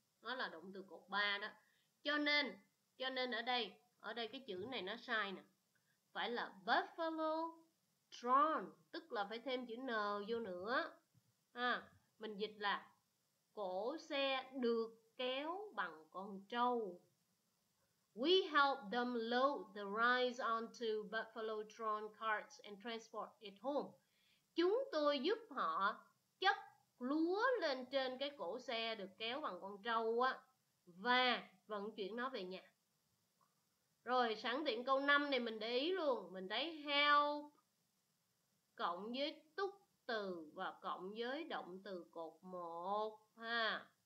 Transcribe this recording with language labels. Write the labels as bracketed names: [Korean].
[Vietnamese] Nó là động từ cột 3 đó. Cho nên ở đây cái chữ này nó sai nè. Phải là Buffalo Drawn, tức là phải thêm chữ N vô nữa. À, mình dịch là cổ xe được kéo bằng con trâu. [English] We help them load the rice onto buffalo drawn carts and transport it home. [Vietnamese] Chúng tôi giúp họ chất lúa lên trên cái cổ xe được kéo bằng con trâu á và vận chuyển nó về nhà. Rồi sẵn tiện câu 5 này mình để ý luôn, mình thấy help cộng với túc từ và cộng với động từ cột 1 ha.